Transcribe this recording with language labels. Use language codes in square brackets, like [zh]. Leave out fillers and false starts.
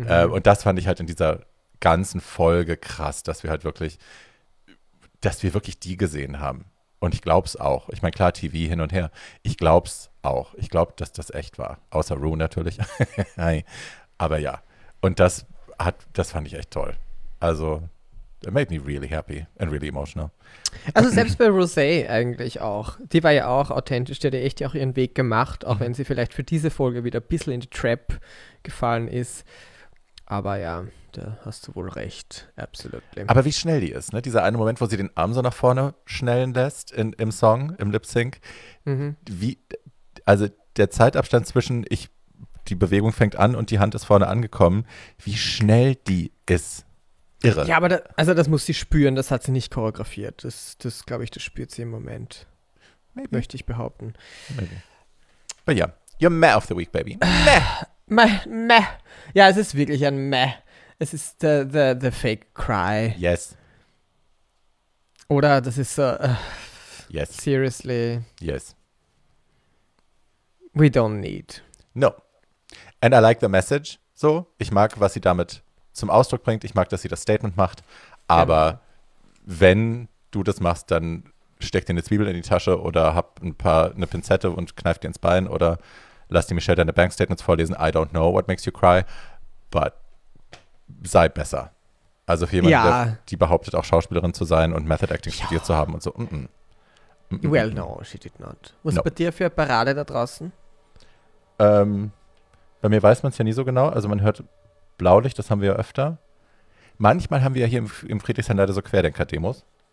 [de] Und das fand ich halt in dieser ganzen Folge krass, dass wir wirklich die gesehen haben. Und ich glaub's auch. Ich meine, klar, TV hin und her. Ich glaub's auch. Ich glaube, dass das echt war. Außer Rue natürlich. Hi. Aber ja. Und das fand ich echt toll. [en] Also, it made me really happy and really emotional. [de] Also selbst bei Rosé eigentlich auch. Die war ja auch authentisch, die hat ja echt auch ihren Weg gemacht, auch wenn sie vielleicht für diese Folge wieder ein bisschen in die Trap gefallen ist. Aber ja, da hast du wohl recht, absolut. Aber wie schnell die ist, ne? Dieser eine Moment, wo sie den Arm so nach vorne schnellen lässt im Song, im Lip-Sync. Mhm. Wie, also der Zeitabstand zwischen die Bewegung fängt an und die Hand ist vorne angekommen, wie schnell die ist. Irre. Ja, aber das muss sie spüren, das hat sie nicht choreografiert. Das glaube ich, das spürt sie im Moment. [en] Maybe. [de] Möchte ich behaupten. [en] Maybe. But yeah, you're meh of the week, baby. Meh. [de] Ja, es ist wirklich ein meh. Es ist [en] the fake cry. Yes. [de] Oder das ist so, [en] yes. Seriously. Yes. We don't need. No. And I like the message. [de] So, ich mag, was sie damit zum Ausdruck bringt. Ich mag, dass sie das Statement macht. Aber ja, wenn du das machst, dann steck dir eine Zwiebel in die Tasche oder hab eine Pinzette und kneif dir ins Bein oder lass die Michelle deine Bankstatements vorlesen. [en] I don't know what makes you cry, but [de] sei besser. Also für jemanden, ja, die behauptet, auch Schauspielerin zu sein und Method Acting ja studiert zu haben und so. Mm-mm. [en] Mm-mm. Well, no, she did not. [de] Was ist bei dir für eine Parade da draußen? Bei mir weiß man es ja nie so genau. Also man hört Blaulicht, das haben wir ja öfter. Manchmal haben wir ja hier im Friedrichshain leider so Querdenker-Demos.